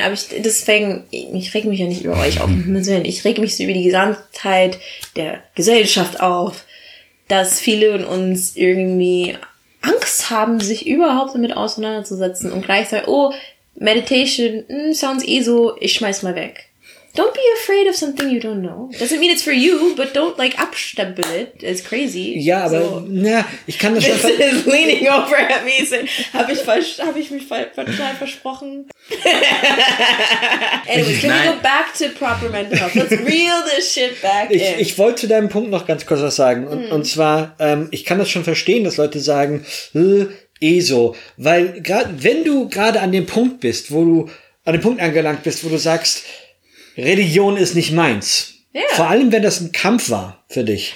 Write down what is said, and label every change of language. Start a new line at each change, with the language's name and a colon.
German: Aber ich reg mich ja nicht über euch auf, um Himmels Willen. Ich reg mich so über die Gesamtheit der Gesellschaft auf, dass viele von uns irgendwie Angst haben, sich überhaupt damit auseinanderzusetzen und gleichzeitig, oh, Meditation,
English: sounds
German: ESO, ich schmeiß mal weg.
English: Don't be afraid of something you don't know. Doesn't mean it's for you, but don't, like,
German: abstempel
English: it. It's crazy.
German: Ja, aber, ich kann das schon.
English: This is leaning over at me.
German: Hab ich mich total versprochen.
English: Anyways, can we go back to proper mental health? Let's reel this shit back in.
German: Ich wollte zu deinem Punkt noch ganz kurz was sagen. Und zwar, ich kann das schon verstehen, dass Leute sagen, ESO. Weil, wenn du gerade an dem Punkt bist, wo du sagst, Religion ist nicht meins.
English: Yeah.
German: Vor allem, wenn das ein Kampf war für dich.